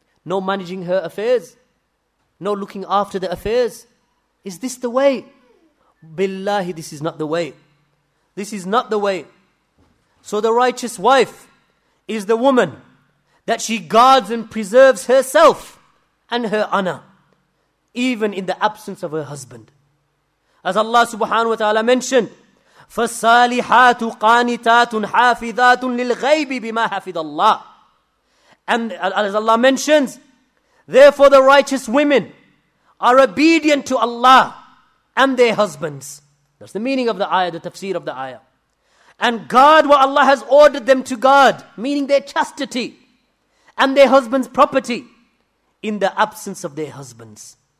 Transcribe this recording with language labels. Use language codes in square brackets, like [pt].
[en] No managing her affairs. No looking after the affairs. Is this the way? Billahi, this is not the way. This is not the way. So the righteous wife is the woman that she guards and preserves herself and her honor, even in the absence of her husband. As Allah subhanahu wa ta'ala mentioned, [ar] فَالصَّالِحَاتُ قَانِتَاتٌ حَافِذَاتٌ لِلْغَيْبِ بِمَا حَفِظَ اللَّهِ. [en] And as Allah mentions, therefore the righteous women are obedient to Allah and their husbands. That's the meaning of the ayah, the tafsir of the ayah. And guard what Allah has ordered them to guard, meaning their chastity and their husband's property, in the absence of their husbands.